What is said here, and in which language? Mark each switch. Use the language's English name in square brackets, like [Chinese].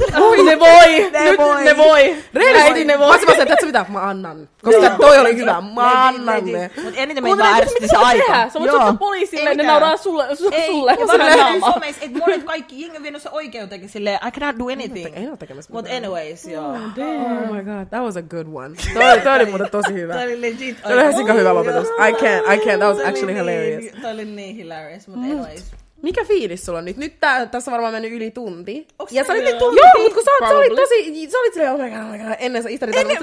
[Finnish] Voi, ne voi. Ne voi. Reilisti ne voi. Mä sanoin, että mitä, mä annan. Koska toi oli hyvä, mä annan ne. Mut eniten meitä vaan ärsytti se aika. Sä voit soittaa poliisille, ne nauraa sulle. Ei, mä sanoin, että monet kaikki jengi on vienyt se oikeuteen, silleen, [English] I cannot do anything. [Finnish] Ei ole tekemässä. Mut anyways, joo. [English] Oh, oh my god, that was a good one. [Finnish] Toi oli muuten tosi hyvä. Toi oli legit. Toi oli hyvä lopetus. [English] I can't, that was actually hilarious. [Finnish] Toi oli niin [English] hilarious, [Finnish] mutta anyways. Mikä fiilis sulla on nyt? Nyt tässä on varmaan mennyt yli tunti. Ja sä olit tunti? Joo, mutta kun sä olit silleen, [English] oh my god, [Finnish] ennen sä istarit.